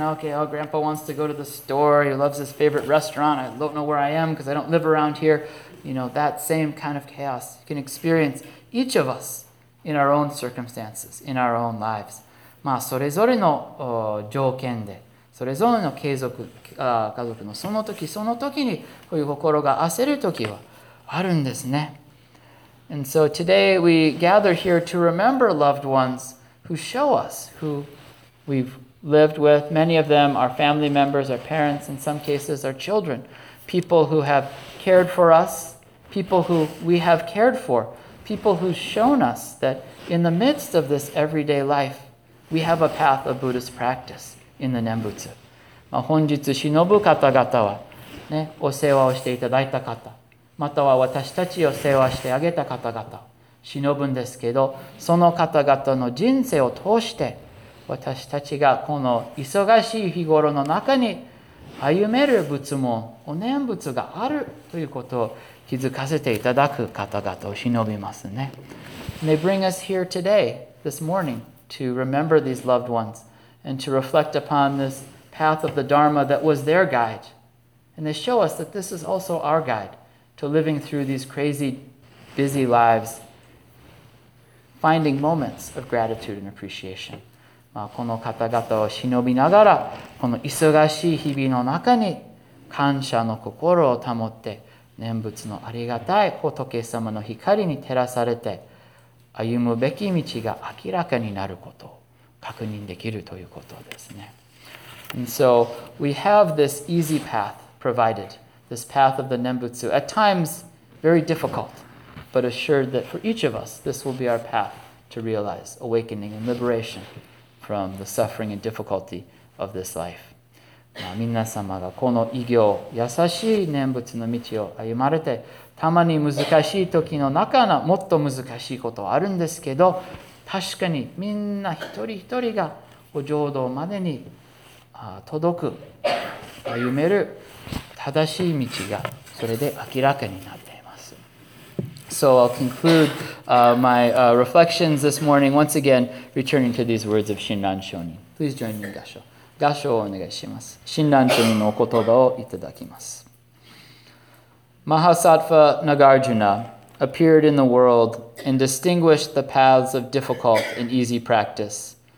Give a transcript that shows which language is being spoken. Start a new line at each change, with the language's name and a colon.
English: Okay, oh, grandpa wants to go to the store. He loves his favorite restaurant. I don't know where I am because I don't live around here. You know, that same kind of chaos you can experience each of us in our own circumstances, in our own lives.
Japanese: まあ、それぞれの条件で、それぞれの家族のその時その時に、こういう心が焦る時はあるんですね。
English: And so today we gather here to remember loved ones who show us, who we've lived with, many of them, our family members, our parents, in some cases, our children, people who have cared for us people who we have cared for, people who've shown us that in the midst of this everyday life, we have a path of Buddhist practice in the Nembutsu.
Japanese: 本日忍ぶ方々は、ね、お世話をしていただいた方、または私たちを世話してあげた方々、忍ぶんですけど、その方々の人生を通して、私たちがこの忙しい日頃の中に歩める仏門、お念仏があるということを気づかせていただく方々を忍びますね。
English: They bring us here today, this morning, to remember these loved ones and to reflect upon this path of the Dharma that was their guide. And they show us that this is also our guide to living through these crazy, busy lives, finding moments of gratitude and appreciation.
Japanese: まあ、この方々を忍びながら、この忙しい日々の中に感謝の心を保って、念仏のありがたい仏様の光に照らされて、歩むべき道が明らかになることを確認できるということですね。
English: And so we have this easy path provided, this path of the Nembutsu, at times very difficult, but assured that for each of us, this will be our path to realize awakening and liberation from the suffering and difficulty of this life.
Japanese: まあ、皆様がこの偉業、優しい念仏の道を歩まれて、たまに難しい時の中のもっと難しいことはあるんですけど、確かにみんな一人一人がお浄土までに届く歩める正しい道がそれで明らかになっています。
English: So I'll conclude reflections this morning once again, returning to these words of Shinran Shonin. Please join me in Gassho.
Japanese: Gassho をお願いします。Shinran Shonin のお言葉をいただきます。
English: Mahasattva Nagarjuna appeared in the world and distinguished the paths of difficult and easy practice.